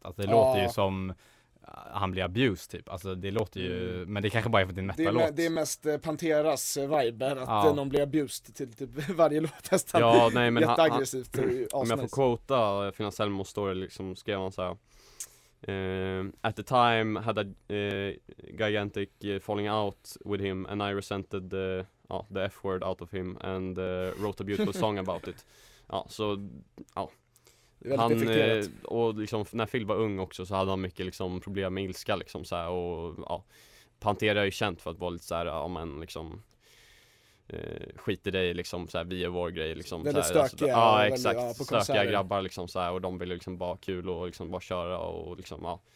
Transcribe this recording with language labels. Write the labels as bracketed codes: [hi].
[sv] Alltså det låter ju som han blir abused typ. Alltså det låter ju, men det kanske bara är för att det är en metal-låt. Det är mest Panteras vibe att någon blir abused till typ varje låt nästan. Ja, nej, men jätteaggressivt. Om jag får quota Phil Anselmo story, liksom skrev han så här. [en] At the time had a gigantic falling out with him and I resented the F word out of him and wrote a beautiful song about it. [sv] Ja, så han och liksom när Phil var ung också, så hade han mycket liksom problem med ilska liksom så här, och Pantera är ju känt för att vara lite så här, men liksom skit i dig liksom så här, vi är vår grej liksom så här, stökiga, alltså, exakt, stökiga grabbar liksom så här, och de ville liksom bara kul och liksom bara köra och liksom